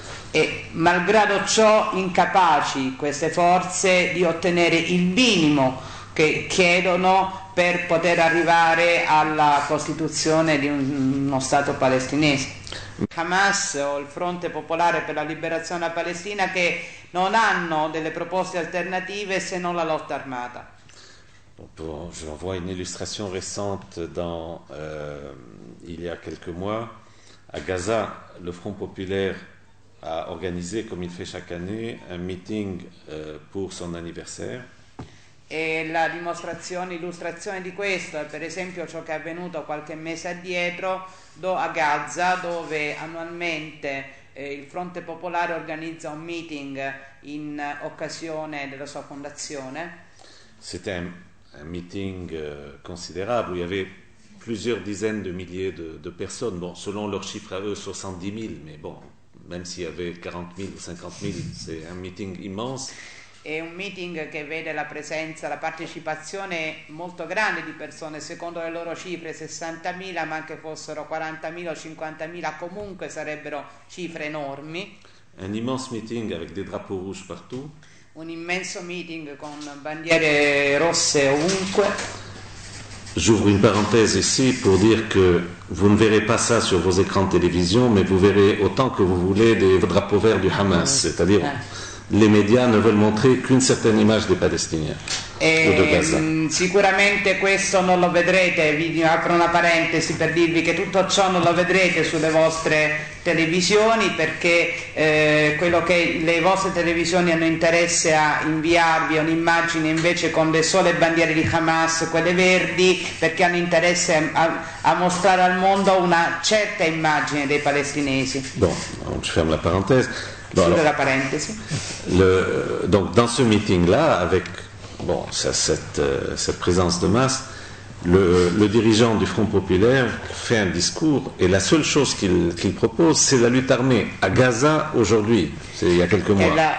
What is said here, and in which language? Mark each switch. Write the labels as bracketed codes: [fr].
[it] e malgrado ciò incapaci queste forze di ottenere il minimo che chiedono per poter arrivare alla costituzione di uno Stato palestinese. Hamas o il Fronte Popolare per la Liberazione della Palestina, che non hanno delle proposte alternative se non la lotta armata. [fr] Bon, je renvoie une illustration récente dans il y a quelques mois à Gaza. Le Front Populaire a organisé, comme il fait chaque année, un meeting pour son anniversaire. [it] E la dimostrazione, l'illustrazione di questo è per esempio ciò che è avvenuto qualche mese addietro a Gaza, dove annualmente il Fronte Popolare organizza un meeting in occasione della sua fondazione. [fr] C'était un meeting considérable, il y avait plusieurs dizaines de milliers de personnes, bon, selon leurs chiffres à eux 70.000, mais bon, même s'il y avait 40.000 ou 50.000, c'est un meeting immense. [it] È un meeting che vede la presenza, la partecipazione molto grande di persone, secondo le loro cifre 60.000, ma anche fossero 40.000 o 50.000, comunque sarebbero cifre enormi. [fr] Un immense meeting avec des drapeaux rouges partout. [it] Un immenso meeting con bandiere rosse ovunque. [fr] J'ouvre une parenthèse ici pour dire que vous ne verrez pas ça sur vos écrans de télévision, mais vous verrez autant que vous voulez des drapeaux verts du Hamas, c'est-à-dire les médias ne veulent montrer qu'une certaine image des Palestiniens ou de Gaza. [it] Sicuramente questo non lo vedrete, vi apro una parentesi per dirvi che tutto ciò non lo vedrete sulle vostre televisioni, perché quello che le vostre televisioni hanno interesse a inviarvi è un'immagine invece con le sole bandiere di Hamas, quelle verdi, perché hanno interesse a mostrare al mondo una certa immagine dei palestinesi. [fr] Bon, je ferme la parentesi. Bon, alors, la parentesi. Donc dans ce meeting-là, avec bon, cette présence de masse, le dirigeant du Front Populaire fait un discours et la seule chose qu'il propose, c'est la lutte armée à Gaza aujourd'hui, c'est il y a quelques mois.